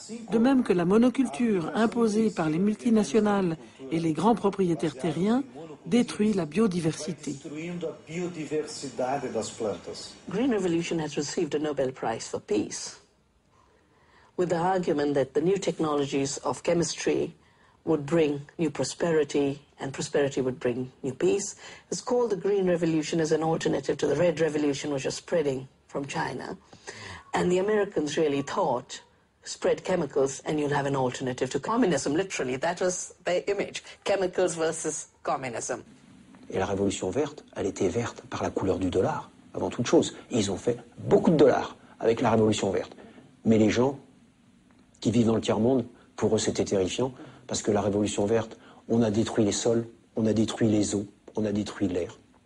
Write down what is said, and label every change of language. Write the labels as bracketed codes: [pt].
[fr] De même que la monoculture imposée par les multinationales et les grands propriétaires terriens détruit la biodiversité. [en] Green Revolution has received a Nobel Prize for Peace with the argument that the new technologies of chemistry would bring new prosperity and prosperity would bring new peace. It's called the Green Revolution as an alternative to the Red Revolution which was spreading from China. And the Americans really thought spread chemicals and you'll have an alternative to communism, literally. That was their image, chemicals versus communism. [fr] Et la révolution verte, elle était verte par la couleur du dollar, avant toute chose. Et ils ont fait beaucoup de dollars avec la révolution verte. Mais les gens qui vivent dans le tiers-monde, pour eux c'était terrifiant, parce que la révolution verte, on a détruit les sols, on a détruit les eaux, on a détruit l'air.